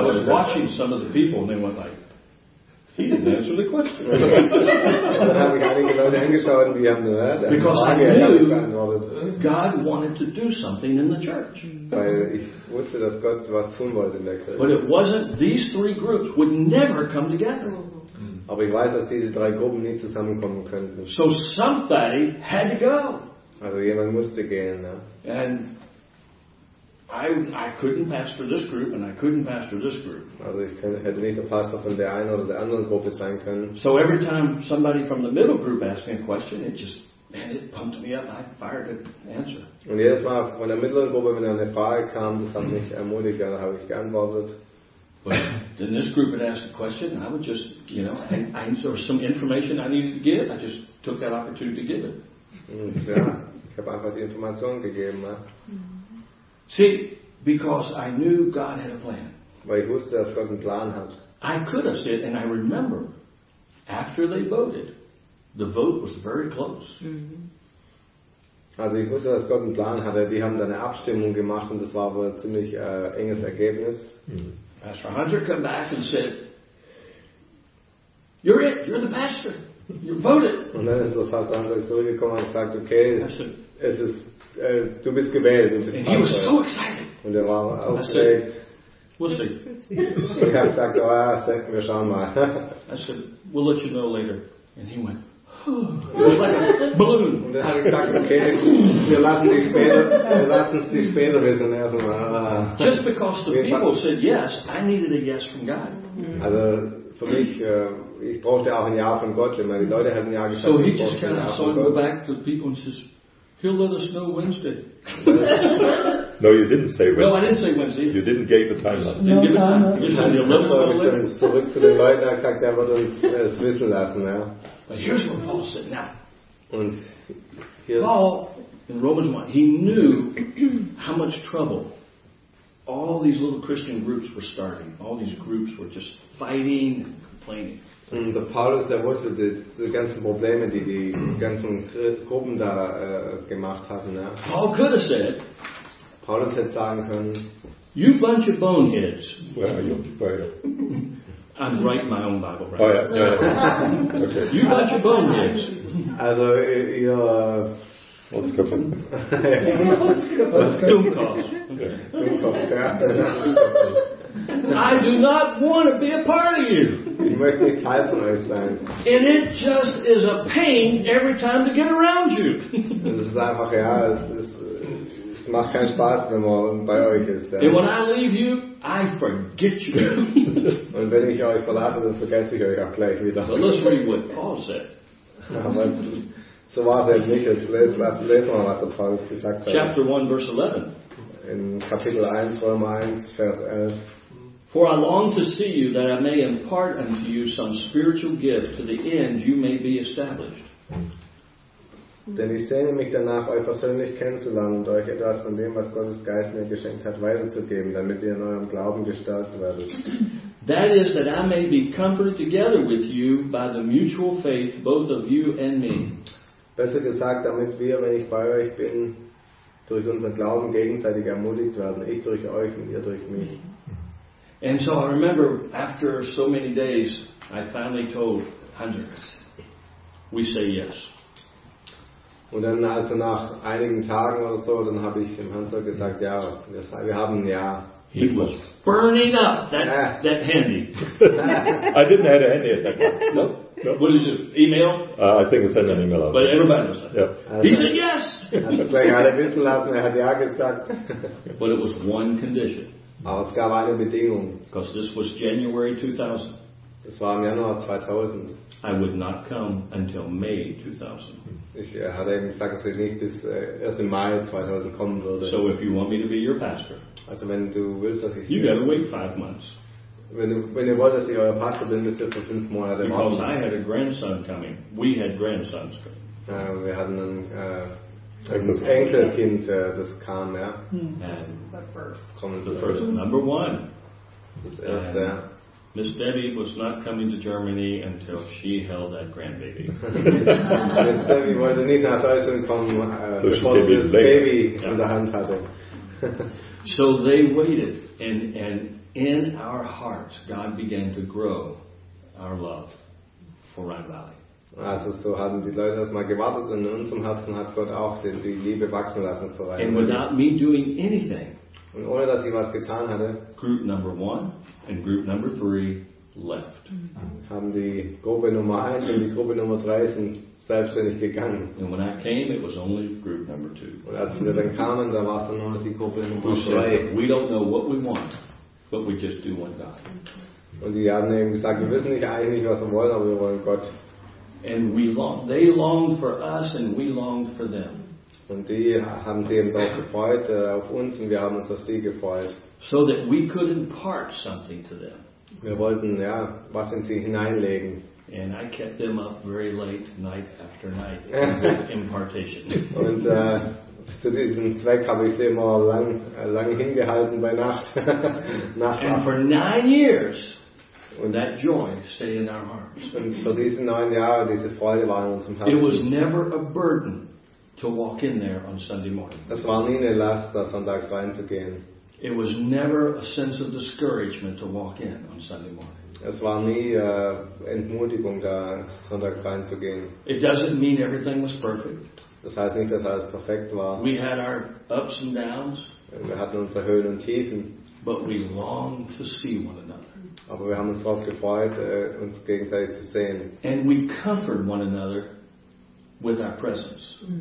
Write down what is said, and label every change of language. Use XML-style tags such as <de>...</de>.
<en>And I was watching some of the people, and they went like, he didn't answer the question.</en> <de>Dann habe ich einige Leute angeschaut, und die haben nur</de> <en>Because I knew God wanted to do something in the church.</en> <de>Wusste, dass Gott was tun wollte in der Kirche.</de> <en>But it wasn't, these three groups would never come together.</en> <de>Aber ich weiß, dass diese drei Gruppen nie zusammenkommen könnten.</de> <en>So somebody had to go.</en> <de>Also jemand musste gehen. Ne?</de> <en>And I couldn't pastor this group and I couldn't pastor this group.</en> <de>Also ich hätte nicht der Pastor von der einen oder der anderen Gruppe sein können.</de> <en>So every time somebody from the middle group asked me a question, it just Man, it pumped me up. I fired an answer.</en> <de>Und jedes Mal, wenn der mittleren Gruppe wieder eine Frage kam, das hat mich ermutigt, dann habe ich geantwortet.</de> <en>But then this group would ask a question, and I would just, you know, I there was some information I needed to give. I just took that opportunity to give it.</en> <de>Ja, ich habe einfach die Information gegeben. Ne?</de> <en>See, because I knew God had a plan.</en> <de>Weil ich wusste, dass Gott einen Plan hat.</de> <en>I could have said, and I remember, after they voted, the vote was very close. Mm-hmm.</en> <de>Also ich wusste, dass Gott einen Plan hatte. Die haben dann eine Abstimmung gemacht und das war wohl ein ziemlich enges Ergebnis. Mm-hmm.</de> <en>Pastor Hunter came back and said, you're it, you're the pastor, you're voted.</en> <de>Und dann ist der Pastor Hunter zurückgekommen und gesagt, okay, du bist gewählt. Du bist</de> <en>and Pastor. He was so excited.</en> <de>Und er war aufgeregt.</de> <en>We'll see. I said, we'll let you know later. And he went, oh, it was like a balloon. And then I said, okay,</en> <de>wir lassen dich später. Wir lassen dich später wissen. Also,</de> <en>just because the people said yes, I needed a yes from God.</en> <de>Also, für mich, ich brauchte auch ein Ja von Gott. Ich meine, die Leute hatten Ja gesagt.</de> <en>So he just kind of saw him go back to the people and says, he'll let us know Wednesday. No, you didn't say Wednesday. No, I didn't say Wednesday. You didn't give a time no up. No time. Time. You said you'll let us know Wednesday.</en> <de>Zurück zu den Leuten, er sagt, er wird uns wissen lassen. Ja.</de> <en>But here's what Paul said now.</en> <de>Und</de> <en>Paul, in Romans 1, he knew how much trouble all these little Christian groups were starting. All these groups were just fighting and complaining.</en> <de>Und der Paulus, der wusste die ganzen Probleme, die die ganzen Gruppen da gemacht hatten. Ja.</de> <en>Paul could have said,</en> <de>Paulus hätte sagen können,</de> <en>you bunch of boneheads. Where are you? Where are you? I'm writing my own Bible right now. Oh, yeah, yeah, yeah. Okay. You bunch of boneheads.</en> <de>Also, ihr... Was kommt von? Dummkopf. Dummkopf, ja.</de> <en>I do not want to be a part of you.</en> <de>Ich möchte nicht Teil von euch sein.</de> <en>And it just is a pain every time to get around you.</en> <de>Es ist einfach, ja, es macht keinen Spaß, wenn man bei euch ist. Ja.</de> <en>And when I leave you, I forget you.</en> <de>Und wenn ich euch verlasse, dann vergesse ich euch auch gleich wieder.</de> <en>But let's read what Paul said.</en> <de>Aber so war es nicht. Lesen wir mal, was der Paulus gesagt hat.</de> <en>Chapter 1, verse 11.</en> <de>In Kapitel 1, Römer 1, Vers 11.</de> <en>For I long to see you, that I may impart unto you some spiritual gift, to the end you may be established.</en> <de>Denn ich sehne mich danach, euch persönlich kennenzulernen und euch etwas von dem, was Gottes Geist mir geschenkt hat, weiterzugeben, damit ihr in eurem Glauben gestärkt werdet.</de> <en>That is, that I may be comforted together with you by the mutual faith, both of you and me.</en> <de>Besser gesagt, damit wir, wenn ich bei euch bin, durch unseren Glauben gegenseitig ermutigt werden, ich durch euch und ihr durch mich.</de> <en>And so I remember, after so many days, I finally told Hunter, we say yes.</en> <de>Und dann also nach einigen Tagen oder so, dann habe ich dem Hunter gesagt, ja, wir haben ja.</de> <en>He was burning up that handy. I didn't have a handy at that point. No? No. What did you do? Email? I think I sent an email out. But everybody was like, yep. He said yes.</en> <de>Gleich alle wissen lassen, er hat ja gesagt.</de> <en>But it was one condition.</en> <de>Aber es gab eine Bedingung.</de> <en>Because this was January 2000.</en> <de>Das war im Januar 2000.</de> <en>I would not come until May 2000.</en> <de>Ich hatte eben gesagt, dass ich nicht bis erst im Mai 2000 kommen würde.</de> <en>So if you want me to be your pastor,</en> <de>also wenn du willst, dass ich</de> <en>you gotta wait 5 months.</en> <de>Wenn ihr wollt, dass ich euer Pastor bin, müsst ihr für 5 Monate warten.</de> <en>Because I had a grandson coming. We had grandsons coming.</en> <de>Wir hatten ein Enkelkind, das kam, ja.</de> <en>And the first, number one.</en> <de>Das erste, ja.</de> <en>Miss Debbie was not coming to Germany until she held that grandbaby.</en> <de>Miss Debbie wollte nicht nach Deutschland kommen, bevor sie das Baby in der Hand hatte.</de> <en>So they waited, and in our hearts, God began to grow our love for Rhine Valley.</en> <de>Also so haben die Leute erstmal gewartet und in unserem Herzen hat Gott auch die Liebe wachsen lassen für einen.</de> <en>And without me doing anything,</en> <de>und ohne dass ich was getan hatte,</de> <en>group number one and group number three left.</en> <de>Haben die Gruppe Nummer 1 und die Gruppe Nummer 3 sind selbstständig gegangen.</de> <en>And when I came, it was only group number two.</en> <de>Und als wir dann kamen, da war es dann nur die Gruppe Nummer 3.</de> <en>We don't know what we want, but we just do what God.</en> <de>Und die haben eben gesagt, wir wissen nicht eigentlich, was wir wollen, aber wir wollen Gott.</de> <en>And we long, they longed for us and we longed for them.</en> <de>Und die haben sie eben auch gefreut auf uns und wir haben uns auf sie gefreut.</de> <en>So that we could impart something to them.</en> <de>Wir wollten ja was in sie hineinlegen.</de> <en>And I kept them up very late, night after night, impartation.</en> <de>Und zu diesem Zweck habe ich sie immer lang hingehalten bei Nacht.</de> <en>And for 9 years,</en> <de>und</de> <en>that joy stayed in our hearts.</en> <de>Und für diese 9 Jahre, diese Freude war in unserem Herzen.</de> <en>It was never a burden to walk in there on Sunday morning.</en> <de>Es war nie eine Last, da sonntags reinzugehen.</de> <en>It was never a sense of discouragement to walk in on Sunday morning.</en> <de>Es war nie Entmutigung, da sonntags reinzugehen.</de> <en>It doesn't mean everything was perfect.</en> <de>Das heißt nicht, dass alles perfekt war.</de> <en>We had our ups and downs.</en> <de>Wir hatten unsere Höhen und Tiefen.</de> <en>But we longed to see one another.</en> <de>Aber wir haben uns darauf gefreut, uns gegenseitig zu sehen.</de> <en>And we comforted one another with our presence.</en>